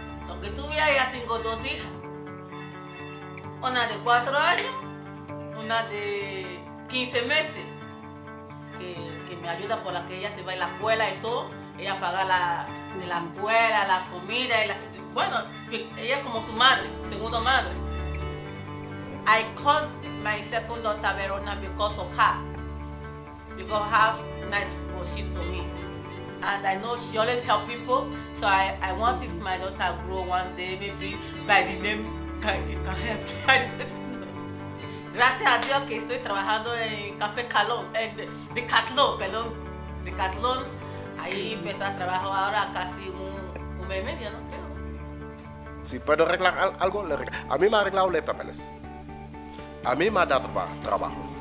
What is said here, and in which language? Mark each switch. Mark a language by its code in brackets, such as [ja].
[es] Aunque tú veas, ya tengo dos hijas, una de 4 años, una de 15 meses. Que me ayuda por la que ella se va a la escuela y todo, ella paga la escuela, la comida, y la, bueno, ella es como su madre, segunda madre. [en] I call my second daughter Verona because of her, because of how nice she to me. And I know she always help people, so I want if my daughter grow one day, maybe by the name, can help. [es] Gracias a Dios que estoy trabajando en Café Calón, en Decathlon, perdón, Decathlon. Ahí empecé a trabajar ahora casi un mes y medio, ¿no? Creo. Si puedo arreglar algo, le arreglo. A mí me ha arreglado los papeles. A mí me ha dado trabajo.